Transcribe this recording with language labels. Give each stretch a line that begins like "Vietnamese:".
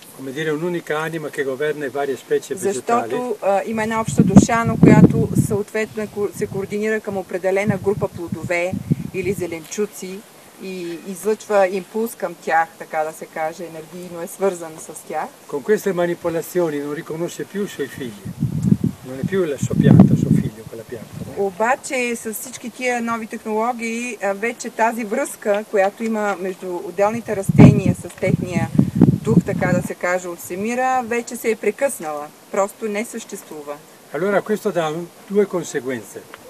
Italian: Come dire, un'unica anima che governa le varie specie vegetali.
Bulgarian: Защото има една обща душа, но която съответно се координира към определена група плодове или зеленчуци и излъчва импулс към тях, така да се каже, енергийно е свързан с тях.
Italian: Con queste manipolazioni non riconosce più i suoi figli. Non è più la sua pianta, suo figlio, quella pianta.
Bulgarian: Обаче с всички тия нови технологии вече тази връзка, която има между отделните растения с техния дух, така да се каже, от Семира, вече се е прекъснала. Просто не съществува.
Italian: Allora, questo dà due conseguenze.